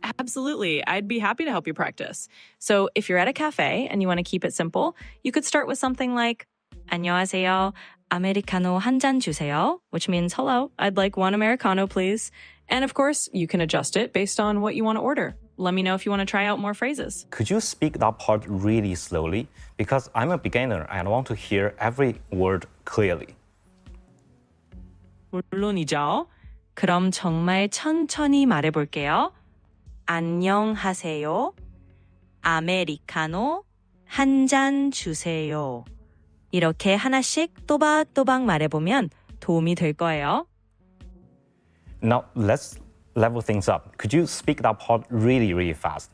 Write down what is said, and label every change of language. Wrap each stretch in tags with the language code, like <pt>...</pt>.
<en>Absolutely, I'd be happy to help you practice. So if you're at a cafe and you want to keep it simple, you could start with something like,</en> <ko>안녕하세요, 아메리카노 한 잔 주세요,</ko> <en>which means, hello, I'd like one Americano, please. And of course, you can adjust it based on what you want to order. Let me know if you want to try out more phrases. Could you speak that part really slowly? Because I'm a beginner and I want to hear every word clearly.</en> <ko>물론이죠. 그럼 정말 천천히 말해볼게요. 안녕하세요. 아메리카노 한 잔 주세요. 이렇게 하나씩 또박또박 말해보면 도움이 될 거예요.</ko> <en>Now, let's level things up. Could you speak that part really, really fast?</en>